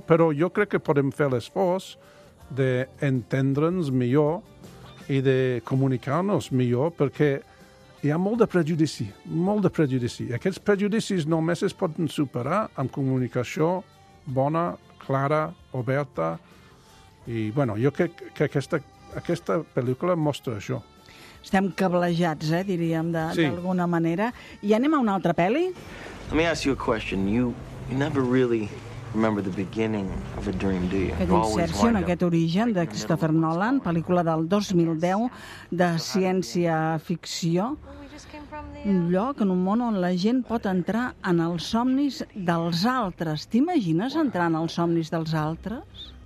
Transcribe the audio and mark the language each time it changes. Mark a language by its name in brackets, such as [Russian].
[Catalan] Però jo crec que podem fer l'esforç d'entendre'ns millor i de comunicar-nos millor, perquè hi ha molt de prejudici. Aquests prejudicis només es poden superar amb comunicació bona, clara, oberta. I, bueno, jo crec que aquesta pel·lícula mostra això. Estem cablejats, diríem, d'alguna manera. I anem a una altra pel·li? [English] Let me ask you a question. You never really remember the beginning of a dream, do you? [Catalan] Aquest inserció en aquest origen de Christopher Nolan, pel·lícula del 2010 de ciència-ficció. Un lloc en un món on la gent pot entrar en els somnis dels altres. T'imagines entrar en els somnis dels altres?